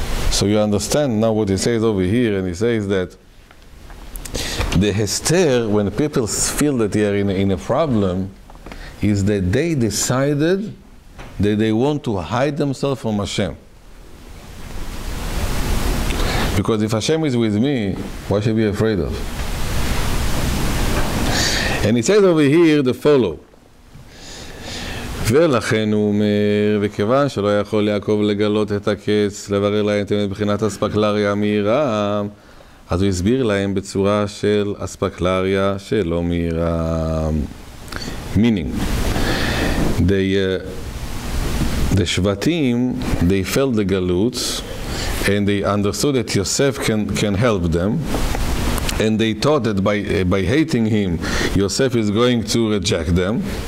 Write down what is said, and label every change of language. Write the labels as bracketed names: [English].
[English] So you understand now what he says over here, and he says that the hester, when people feel that they are in a problem, is that they decided that they want to hide themselves from Hashem. Because if Hashem is with me, what should I be afraid of? And he says over here the follow. [Hebrew] ולכן הוא אומר, וכיוון שלא יכול יעקב לגלות את הקץ, לברר להם את האמת בחינת אספקלריה מהירה, אז הוא הסביר להם בצורה של אספקלריה שלא מהירה. [English] Meaning, the שבטים, they felt the גלות, and they understood that Yosef can help them, and they thought that by hating him, Yosef is going to reject them.